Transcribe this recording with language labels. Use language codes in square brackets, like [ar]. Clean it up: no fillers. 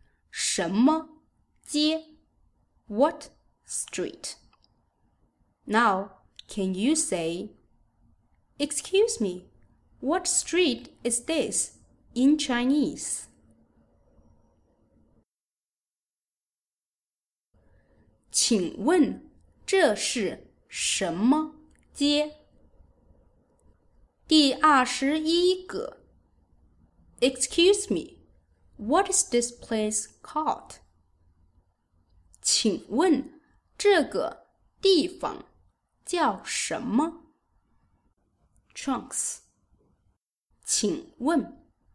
[zh] 什么街 [en] What street? Now, can you say, Excuse me, what street is this in Chinese? [zh] 请问这是什么街第二十一个 [en] Excuse me, what is this place called? [zh] 请问这个地方叫什么? [en] Trunks [zh] 请问